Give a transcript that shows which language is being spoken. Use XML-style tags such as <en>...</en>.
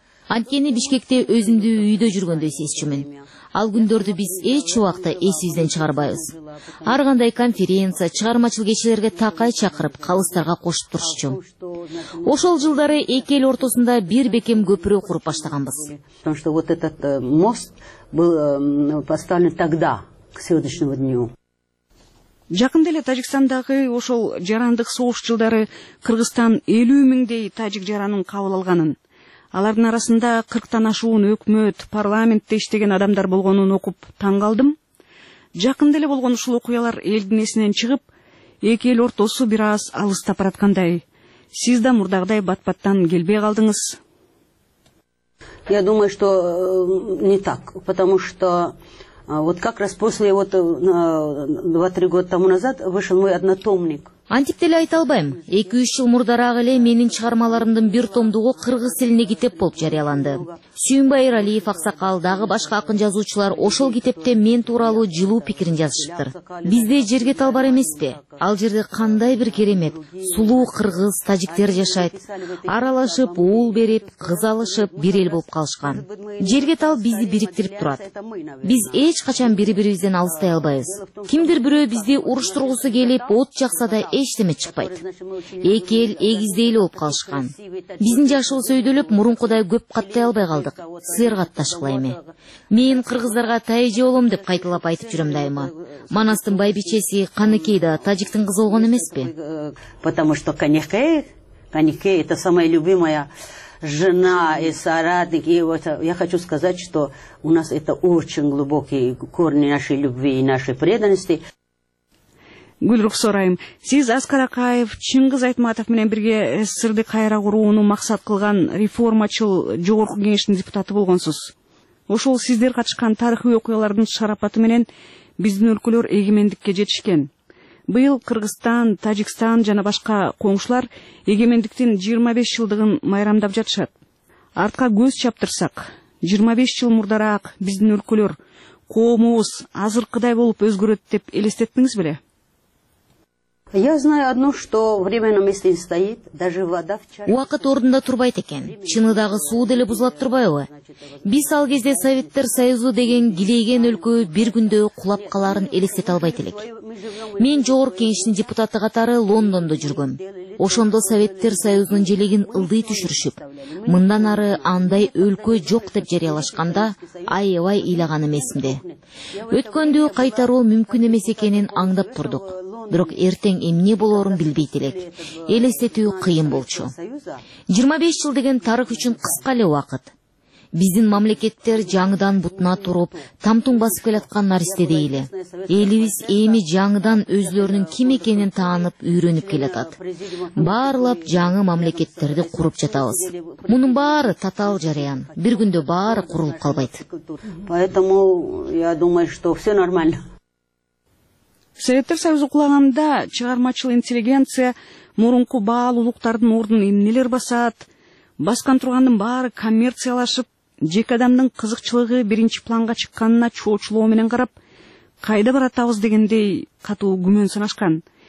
<ky>Анткени Бишкекте өзүмдү үйдө жүргөндөй сезчүмүн. Ал күндөрдү биз эч убакта эсибизден чыгарбайбыз. Ар кандай конференция, чыгармачыл кечелерге такай чакырып, калыстарга кошуп турушчу. Ошол жылдары эки эл ортосунда бир бекем көпүрө куруп баштаганбыз.</ky> <ru>Потому что вот этот мост был поставлен тогда, к сегодняшнему дню.</ru> <ky>Жакында эле Тажикстандагы ошол жарандык согуш жылдары Кыргызстан 50,000 тажик жаранын кабыл алганын, алардын арасында 40 ашуун өкмөт, парламентте иштеген адамдар болгонун окуп таң калдым. Жакында эле болгон ушул окуялар элдин эсинен чыгып, эки эл ортосу бир аз алыстап бараткандай. Сиз да мурдагыдай бат-баттан келбей калдыңыз.</ky> <ru>Я думаю, что не так, потому что вот как раз после вот 2-3 года тому назад вышел мой однотомник.</ru> <ky>Антип деле айта албайм. 2-3 жыл мурдараак эле менин чыгармаларымдын бир томдугу кыргыз тилине китеп болуп жарыяланды. Сүйүнбай Эралиев аксакал дагы башка акын жазуучулар ошол китепте мен тууралуу жылуу пикирин жазышыптыр. Бизде жерге талбар эмеспи? Ал жерде кандай бир керемет, сулуу кыргыз тажиктер жашайт. Аралашып, уул берип, кыз алышып, бир эл болуп калышкан. Жерге тал бизди бириктирип турат. Биз эч качан бири-бирибизден алыстай албайбыз. Кимдир бирөө бизди уруштургусу келип, от жакса да эчтеме чыкпайт. Эки эл эгиздей эле болуп калышкан. Биздин жашыл сөйдөлүп, мурункудай көп каттай албай калдык. Силер катташкыла эми. Мен кыргыздарга тайже болом деп кайталап айтып жүрөм дайыма. Манастын байбичеси Каныкей да тажиктин кызы болгон эмеспи?</ky> <ru>Потому что Каныкей это самая любимая жена и соратник. И вот я хочу сказать, что у нас это очень глубокие корни нашей любви и нашей преданности.</ru> <ky>Гүлрух сорайым, сиз Аскар Акаев, Чыңгыз Айтматов менен бирге СССРди кайра курууну максат кылган реформачыл жогорку кеңештин депутаты болгонсуз. Ошол сиздер катышкан тарыхый окуялардын шарапаты менен биздин өлкөлөр эгемендикке жетишкен. Быйыл Кыргызстан, Тажикстан жана башка коңшулар эгемендиктин 25 жылдыгын майрамдап жатышат. Артка көз чаптырсак, 25 жыл мурдараак биздин өлкөлөр коомубуз азыркыдай болуп өзгөрөт деп элестеттиңиз беле?</ky> <ru>Я знаю одно, что время на месте не стоит, даже вода в чаше.</ru> <ky>Уақыт орнында турбайт екен. Чыныдағы суы деле бузылап турбайбы? Биз ал кезде Советтер Союзу деген килейген өлкө бир күндө кулап каларын элестете албайт элек. Мен жогорку кеңештин депутаты катары Лондондо жүргөм. Ошондо Советтер Союзунун желегин ылдый түшүрүшүп, мындан ары андай өлкө жок деп жарыялашканда аябай ыйлаган эмесимди. Өткөндү кайтаруу мүмкүн эмес экенин аңдап турдук. Бирок эртең эмне болорун билбейт элек. Элестетүү кыйын болчу. 25 жыл деген тарых үчүн кыска эле убакыт. Биздин мамлекеттер жаңыдан бутуна туруп, тамтуң басып келаткан наристе дейли. Элибиз эми жаңыдан өзлөрүнүн ким экенин таанып, үйрөнүп келатат. Баарлап жаңы мамлекеттерди куруп жатабыз. Мунун баары татаал жараян. Бир күндө баары курулуп калбайт.</ky> <ru>Поэтому я думаю, что все нормально.</ru> <ky>Советтер Союзу кулаганда чыгармачыл интеллигенция мурунку баалуулуктардын ордун эмнелер басат? Баскан тургандын баары коммерциялашып, жеке адамдын кызыкчылыгы биринчи планга чыкканына чоочулоо менен карап, кайда баратабыз дегендей катуу күмөн санашкан.</ky>